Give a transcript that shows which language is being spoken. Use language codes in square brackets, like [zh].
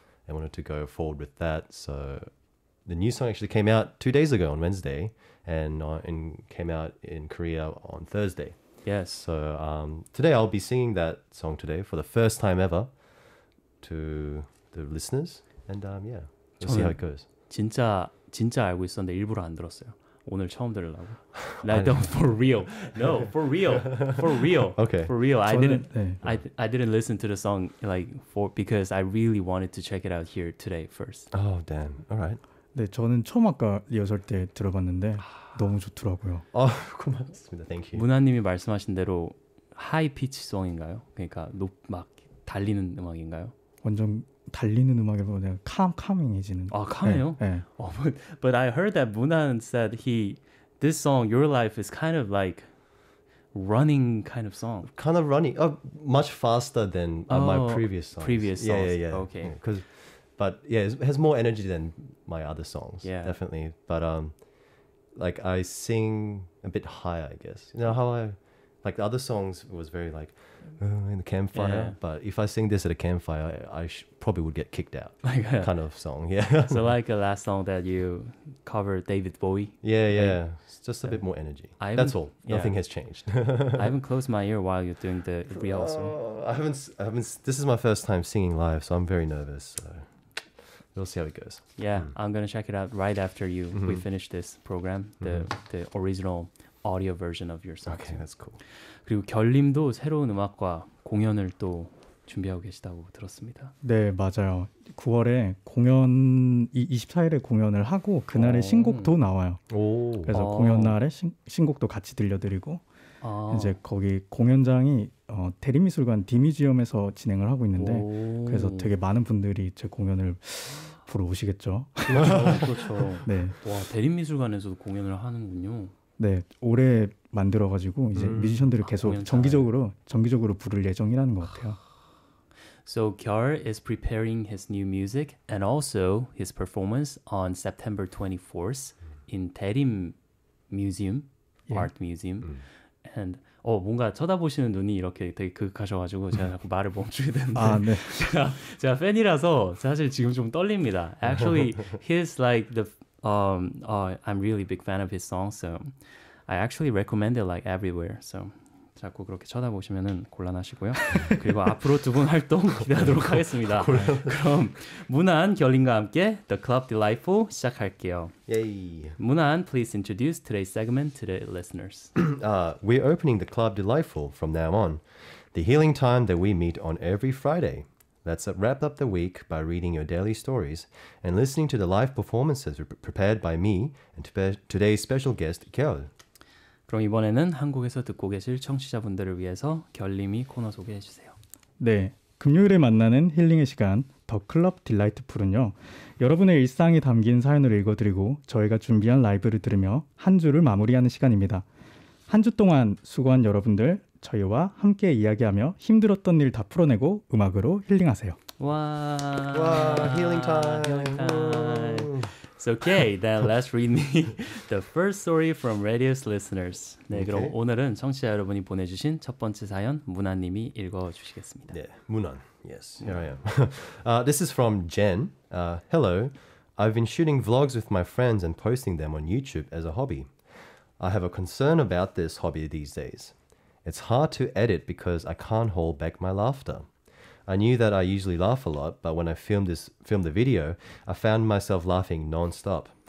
[en] I wanted to go forward with that. So the new song actually came out 2 days ago on Wednesday and came out in Korea on Thursday. Yes. So today I'll be singing that song today for the first time ever to the listeners. And we'll see how it goes. [ko] 진짜 진짜 알고 있었는데 일부러 안 들었어요. 오늘 처음 들으려고. [en] Like, no, for real. No, for real. For real. Okay. For real. I didn't listen to the song like because I really wanted to check it out here today first. Oh, damn. All right. [ko] 네, 저는 처음 아까 리허설 때 들어봤는데 너무 좋더라고요. 아, 고맙습니다. [en] Thank you. [ko] 문하님이 말씀하신 대로 하이 피치 송인가요? 그러니까 높 막 달리는 음악인가요? 완전 달리는 음악이라고 내가 캄캄해지는. 아, 캄해요? 네. [en] 어, but I heard that 문하는 said this song Your Life is kind of like running kind of song. Kind of running. Much faster than my previous songs. Previous songs. Yeah. Okay. But it has more energy than my other songs. Yeah. Definitely. But like I sing a bit higher, I guess. You know how I like the other songs was very like in the campfire. Yeah. But if I sing this at a campfire, I probably would get kicked out. Like a kind of song. Yeah. So like the last song that you covered, David Bowie. Yeah, yeah. Like, it's just a bit more energy. That's all. Yeah. Nothing has changed. I haven't closed my ear while you're doing the real song. I haven't. This is my first time singing live, so I'm very nervous. So we'll see how it goes. Yeah, I'm gonna check it out right after you. We finish this program, the original audio version of your song. Okay, that's cool. [ko] 그리고 결님도 새로운 음악과 공연을 또 준비하고 계시다고 들었습니다. 네, 맞아요. 9월에 24일에 공연을 하고 그날에 신곡도 나와요. 오. 그래서 공연 날에 신곡도 같이 들려드리고 아. 이제 거기 공연장이 대림미술관 디뮤지엄에서 진행을 하고 있는데 그래서 되게 많은 분들이 제 공연을 보러 오시겠죠. 그렇죠. 네. 와, 대림미술관에서도 공연을 하는군요. 네, 올해 만들어가지고 이제 뮤지션들을 계속 정기적으로 부를 예정이라는 것 같아요. [en] So Kyul is preparing his new music and also his performance on September 24th in 대림 Museum, Art Museum. [ko] And 뭔가 쳐다보시는 눈이 이렇게 되게 극하셔가지고 제가 자꾸 말을 멈추게 되는데 아, 네. 제가 팬이라서 사실 지금 좀 떨립니다. [en] Actually, he's like the I'm really big fan of his song, so I actually recommend it like everywhere. So [ko] 자꾸 그렇게 쳐다보시면은 곤란하시고요. 그리고 앞으로 두 분 활동 기대하도록 하겠습니다. 그럼 무난 결린과 함께 The Club Delightful 시작할게요. Yay. [en] 무난, please introduce today's segment to the listeners. We're opening The Club Delightful from now on. The healing time that we meet on every Friday. Let's wrap up the week by reading your daily stories and listening to the live performances prepared by me and today's special guest, KYUL. [ko] 그럼 이번에는 한국에서 듣고 계실 청취자분들을 위해서 결림이 코너 소개해 주세요. 네, 금요일에 만나는 힐링의 시간, 더 클럽 딜라이트풀은요. 여러분의 일상이 담긴 사연을 읽어드리고 저희가 준비한 라이브를 들으며 한 주를 마무리하는 시간입니다. 한 주 동안 수고한 여러분들, 저희와 함께 이야기하며 힘들었던 일 다 풀어내고 음악으로 힐링하세요. 와, 와 힐링 타임! 힐링 타임. [en] So, okay, then let's read me the first story from Radius Listeners. [ko] 네, 그럼 okay. 오늘은 청취자 여러분이 보내주신 첫 번째 사연, 문안님이 읽어주시겠습니다. [en] 네, 문안. Yes, here I am. This is from Jen. Hello, I've been shooting vlogs with my friends and posting them on YouTube as a hobby. I have a concern about this hobby these days. It's hard to edit because I can't hold back my laughter. I knew that I usually laugh a lot, but when I filmed the video, I found myself laughing nonstop.